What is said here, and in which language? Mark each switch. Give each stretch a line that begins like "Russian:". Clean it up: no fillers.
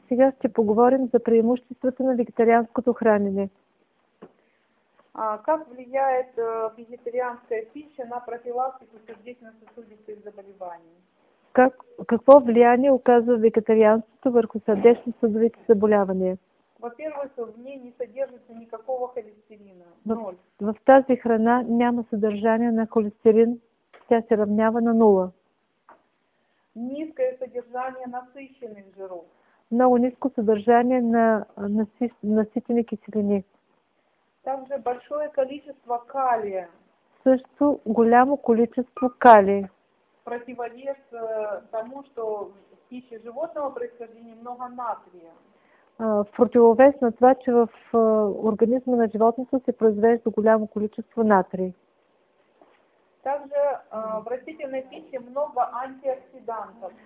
Bulgarian: Сега ще поговорим за преимуществата на вегетарианското хранене.
Russian: А как влияет вегетарианская пища на профилактику сердечно-сосудистых заболеваний?
Bulgarian: Какво влияние оказва вегетарианството върху сърдечно-съдовите заболявания?
Russian: Во-первых, в ней не содержится никакого холестерина. Ноль.
Bulgarian: В тази храна няма съдържание на холестерин, тя се равнява на нула.
Russian: Низкое содержание насыщенных жиров.
Bulgarian: Много ниско съдържание на наситени киселини.
Russian: Также большое количество калия.
Bulgarian: Също голямо количество калий.
Russian: Противовес тому, что в пище животного происхождения много натрия.
Bulgarian: В противовес на това, че в организма на животното се произвежда голямо количество натрий.
Russian: Также в растительной пище много антиоксидантов.